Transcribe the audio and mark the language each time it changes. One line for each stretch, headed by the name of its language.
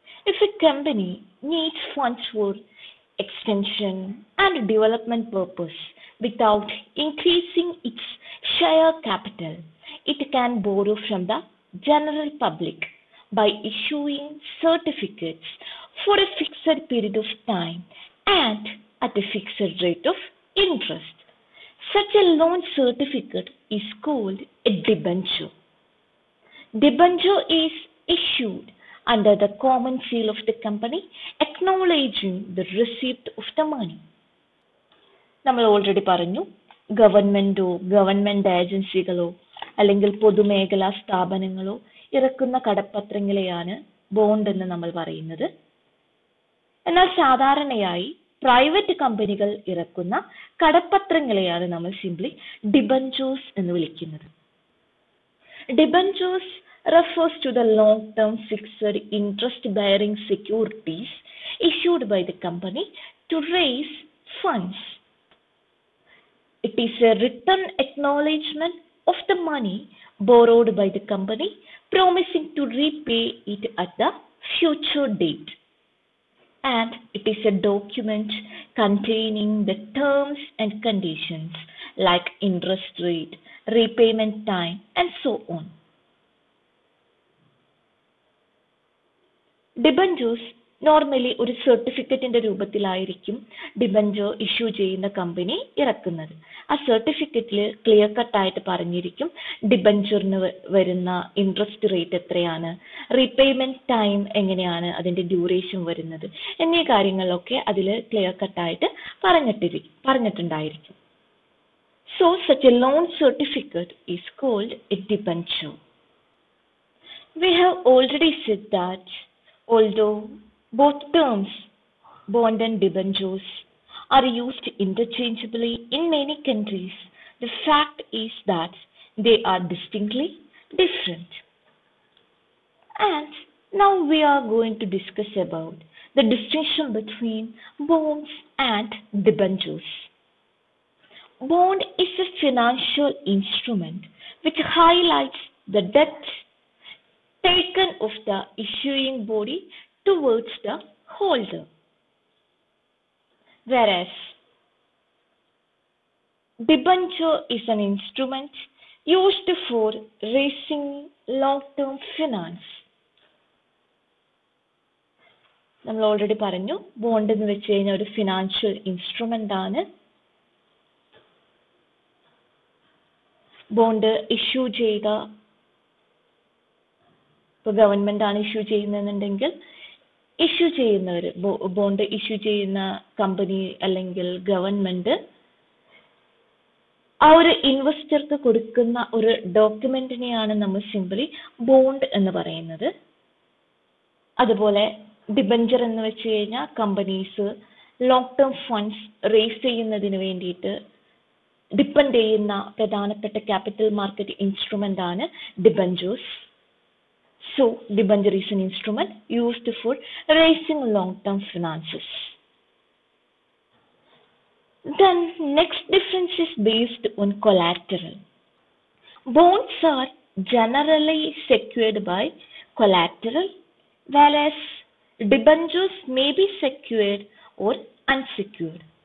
English: If a company needs funds for extension and development purpose without increasing its share capital, it can borrow from the general public by issuing certificates for a fixed period of time and at a fixed rate of interest. Such a loan certificate is called a debenture. Debenture is issued under the common seal of the company, acknowledging the receipt of the money.
Malayalam: നമ്മൾ already പറഞ്ഞു, ഗവൺമെന്റോ government ഏജൻസികളോ അല്ലെങ്കിൽ പൊതുമേഖലാ സ്ഥാപനങ്ങളോ ഇറക്കുന്ന കടപ്പത്രങ്ങളെയാണ് bond എന്ന് നമ്മൾ പറയുന്നത്. എന്നാൽ സാധാരണയായി പ്രൈവറ്റ് കമ്പനികൾ ഇറക്കുന്ന കടപ്പത്രങ്ങളെയാണ് നമ്മൾ സിംപ്ലി ഡിബഞ്ചേഴ്സ് എന്ന് വിളിക്കുന്നത്.
English: Debentures refers to the long term fixed interest bearing securities issued by the company to raise funds. It is a written acknowledgement of the money borrowed by the company promising to repay it at the future date. And it is a document containing the terms and conditions like interest rate, repayment time, and so on. Debentures normally
Malayalam: ഒരു സർട്ടിഫിക്കറ്റിന്റെ രൂപത്തിലായിരിക്കും debenture issue ചെയ്യുന്ന company ഇറക്കുന്നത്. ആ സർട്ടിഫിക്കറ്റിൽ clear കട്ടായിട്ട് പറഞ്ഞിരിക്കും ഡിബഞ്ചറിന് വരുന്ന interest rate എത്രയാണ്, repayment time എങ്ങനെയാണ്, അതിൻ്റെ duration വരുന്നത് എന്നീ കാര്യങ്ങളൊക്കെ അതിൽ clear കട്ടായിട്ട് പറഞ്ഞിട്ടുണ്ടായിരിക്കും.
English: So such a loan certificate is called a debenture. We have already said that although Both terms, bond and debentures, are used interchangeably in many countries. The fact is that they are distinctly different. And now we are going to discuss about the distinction between bonds and debentures. Bond is a financial instrument which highlights the debt taken of the issuing body towards the holder, whereas debenture is an instrument used for raising long-term finance.
Malayalam: നമ്മൾ already പറഞ്ഞു bond എന്ന് വെച്ച് കഴിഞ്ഞാൽ ഒരു financial instrument ആണ്. Bond issue ചെയ്ത ഇപ്പോൾ government ആണ് ഇഷ്യൂ ചെയ്യുന്നതെന്നുണ്ടെങ്കിൽ ഇഷ്യൂ ചെയ്യുന്നവർ ബോണ്ട് ഇഷ്യൂ ചെയ്യുന്ന കമ്പനി അല്ലെങ്കിൽ ഗവൺമെന്റ് ആ ഒരു ഇൻവെസ്റ്റർക്ക് കൊടുക്കുന്ന ഒരു ഡോക്യുമെന്റിനെയാണ് നമ്മൾ സിംപ്ലി ബോണ്ട് എന്ന് പറയുന്നത്. അതുപോലെ ഡിബഞ്ചർ എന്ന് വെച്ച് കഴിഞ്ഞാൽ companies long term funds raise ചെയ്യുന്നതിന് വേണ്ടിയിട്ട് ഡിപ്പെൻഡ് ചെയ്യുന്ന പ്രധാനപ്പെട്ട ക്യാപിറ്റൽ മാർക്കറ്റ് ഇൻസ്ട്രുമെന്റ് ആണ് debentures.
English: So, debenture is an instrument used for raising long-term finances. Then, next difference is based on collateral. Bonds are generally secured by collateral, whereas debentures may be secured or unsecured.